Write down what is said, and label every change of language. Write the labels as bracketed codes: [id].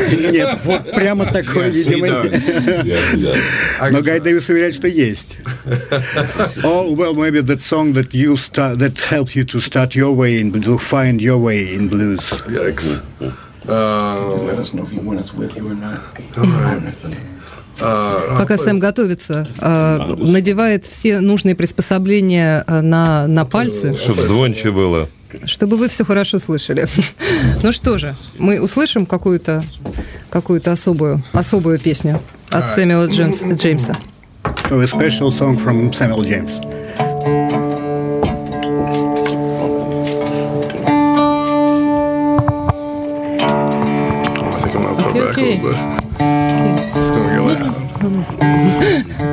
[ru] Нет, вот прямо такое, видимо. Но Гай Дэвис уверяет, что есть. [en] Oh, well, maybe that song that you start, that helped you to start your way in, to find your way in blues. Yikes. Let us know if you want us with you or not. [ru] Пока Сэм готовится, надевает все нужные приспособления на пальцы. Чтобы звонче было. Чтобы вы все хорошо слышали. Ну что же, мы услышим какую-то особую песню от Сэмюэла Джеймса. [en] So a special song from Samuel James. I think I'm gonna put it back a little bit.